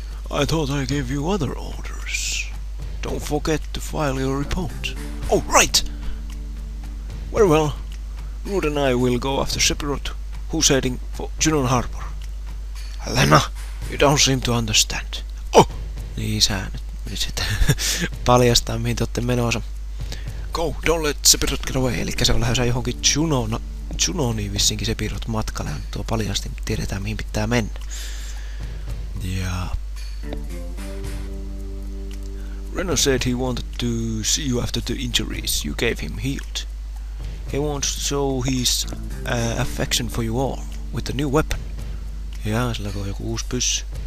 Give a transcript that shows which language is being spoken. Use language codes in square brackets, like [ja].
[en] I thought I gave you other orders. Don't forget to file your report. Oh, right! Very well. Ruud and I will go after Sephiroth, who's heading for Junon Harbor. Elena, you don't seem to understand. Oh! [fi] Niin sä nyt sit paljastaa, mihin te ootte menossa. [en] Go, don't let Sephiroth get away. [fi] Elikkä se on lähdössä johonkin Junon. Junoniin vissinkin Sephiroth matkalle. Hän tuo paljasti, tiedetään mihin pitää mennä. Ja... [en] Reno said he wanted to see you after the injuries you gave him healed. He wants to show his affection for you all with a new weapon. [fi] Jaa, sillä on joku uusi pyssy.